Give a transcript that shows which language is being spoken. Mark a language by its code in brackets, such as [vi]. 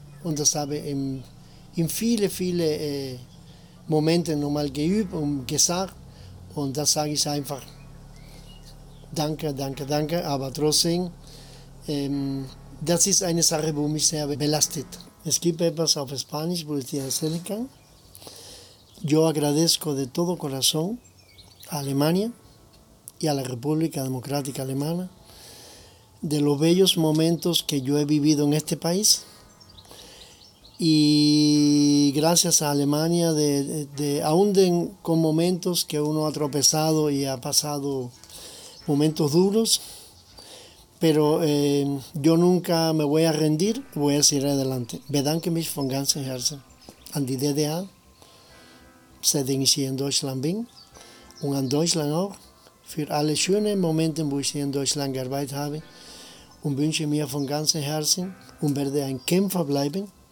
[de] Und das habe ich in viele, viele Momente nochmal geübt und gesagt und das sage ich einfach danke, danke, danke, aber trotzdem, das ist eine Sache, die mich sehr belastet. Es gibt etwas auf Spanisch, wo ich dir erzählen kann. [es] Yo agradezco de todo corazón a Alemania y a la República Democrática Alemana de los bellos momentos que yo he vivido en este país. Y gracias a Alemania, aún con momentos que uno ha tropezado y ha pasado momentos duros, pero yo nunca me voy a rendir, voy a seguir adelante. [de] Bedanke mich von ganzem Herzen an die DDR, seitdem ich hier in Deutschland bin, und an Deutschland auch, für alle schönen Momente, wo ich hier in Deutschland gearbeitet habe, und wünsche mir von ganzem Herzen und werde ein Kämpfer bleiben.